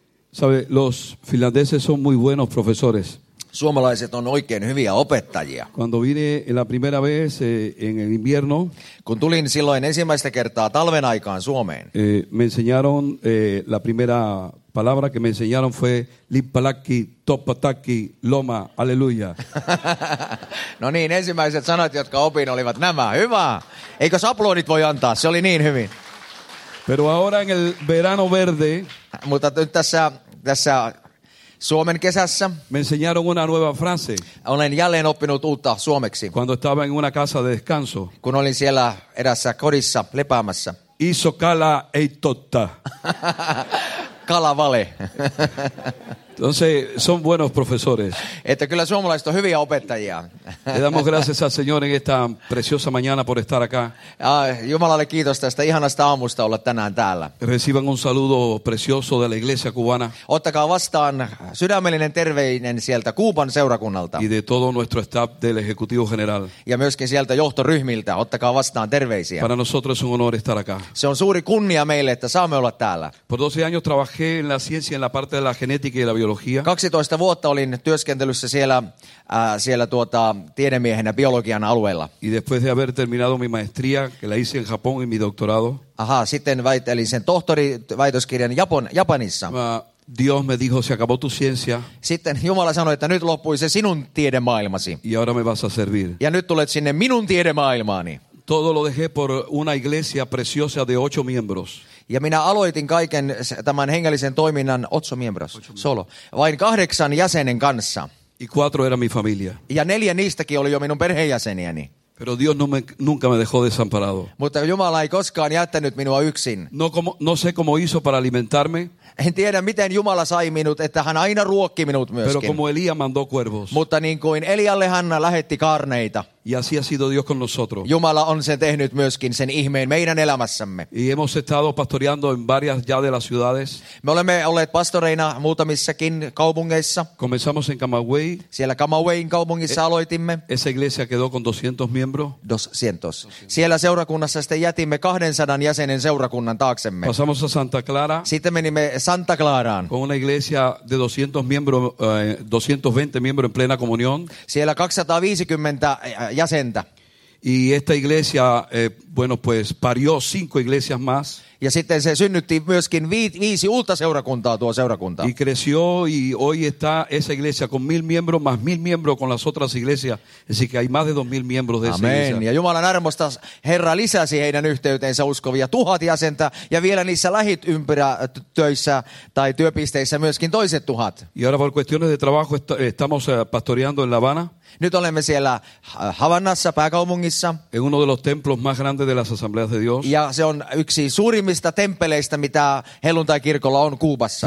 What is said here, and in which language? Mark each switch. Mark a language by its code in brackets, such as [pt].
[es] Sabe, los finlandeses son muy buenos profesores. [fi] Suomalaiset on oikein hyviä opettajia. [es] Cuando vine la primera vez en el invierno, [fi] kun tulin silloin ensimmäistä kertaa talven aikaan Suomeen, [es] me enseñaron la primera palabra que me enseñaron fue lippalakki, toppatakki, loma, aleluya. [fi] No niin, ensimmäiset sanat, jotka opin, olivat nämä. Hyvä! Eikös aplodit voi antaa? Se oli niin hyvin. [es] Pero ahora en el verano verde, [fi] mutta nyt tässä Suomen kesässä, [es] me enseñaron una nueva frase. [fi] Olen jälleen oppinut uutta suomeksi. [es] Cuando estaba en una casa de descanso, [fi] kun olin siellä erässä kodissa lepäämässä. Iso kala ei totta. Kala vale. [es] Entonces, son buenos profesores. [fi] Että kyllä suomalaiset on hyviä opettajia. [es] Le damos gracias al Señor en esta preciosa mañana por estar acá. [fi] Jumalalle kiitos tästä ihanasta aamusta olla tänään täällä. [es] Reciban un saludo precioso de la iglesia cubana. [fi] Ottakaa vastaan sydämellinen terveinen sieltä Kuuban seurakunnalta. [es] Y de todo nuestro staff del Ejecutivo General. [fi] Ja myöskin sieltä johtoryhmiltä. Ottakaa vastaan terveisiä. [es] Para nosotros es un honor estar acá. [fi] Se on suuri kunnia meille, että saamme olla täällä. [es] Por 12 años trabajé en la ciencia, en la parte de la genética y la [fi] 12 vuotta olin työskentelyssä siellä tiedemiehenä biologian alueella. [es] Y después de haber terminado mi maestría, que la hice en Japón y mi doctorado. [fi] Aha, sitten väitelin sen tohtori väitöskirjan Japanissa. [es] Dios me dijo, se acabó tu ciencia. [fi] Sitten Jumala sanoi, että nyt loppui se sinun tiedemaailmasi. [es] Y ahora me vas a servir. [fi] Ja nyt tulet sinne minun tiedemaailmaani. [es] Todo lo dejé por una iglesia preciosa de 8 miembros. [fi] Ja minä aloitin kaiken tämän hengellisen toiminnan [es] otso miembros, solo, [fi] vain 8 jäsenen kanssa. [es] Y cuatro era mi familia. [fi] Ja 4 niistäkin oli jo minun perheenjäseniäni. [es] Pero Dios no me, nunca me dejó desamparado. [fi] Mutta Jumala ei koskaan jättänyt minua yksin. [es] No, como, no sé cómo hizo para alimentarme. [fi] En tiedä, miten Jumala sai minut, että hän aina ruokki minut myöskin. [es] Pero como Elía mandó cuervos. [fi] Mutta niin kuin Elialle hän lähetti kaarneita. [es] Y así ha sido Dios con nosotros. [fi] Jumala on sen tehnyt myöskin sen ihmeen meidän elämässämme. [es] Y hemos estado pastoreando en varias ya de las ciudades. [fi] Me olemme olleet pastoreina muutamissakin kaupungeissa. [es] Comenzamos en Camagüey. [fi] Siellä Camagüeyin kaupungissa aloitimme. [es] Esa iglesia quedó con 200 miembros. 200. [fi] Siellä seurakunnassa sitten jätimme 200 jäsenen seurakunnan taaksemme. [es] Pasamos a Santa Clara. [fi] Sitten menimme Santa Claraan. [es] Con una iglesia de 200 miembros, 220 miembros en plena comunión. [fi] Siellä 250 jäsentä. [es] Y esta iglesia, bueno, pues parió 5 iglesias más. [fi] Ja sitten se synnytti myöskin 5 uutta seurakuntaa tuo seurakunta. [es] Y creció y hoy está esa iglesia con 1000 miembros más 1000 miembros con las otras iglesias, así que hay más de 2000 miembros de esa iglesia. Amen. [fi] Ja Jumalan armosta Herra lisäsi heidän yhteyteensä uskovia 1000 jäsentä ja vielä niissä lähitympäristöissä tai työpisteissä myöskin toiset 1000. [es] Y ahora por cuestiones de trabajo estamos pastoreando en La Habana. [fi] Nyt olemme siellä Havannassa pääkaupungissa. [es] En uno de los templos más grandes de las Asambleas de Dios. [fi] Ja se on yksi suurimmista temppeleistä, mitä helluntaikirkolla on Kuubassa.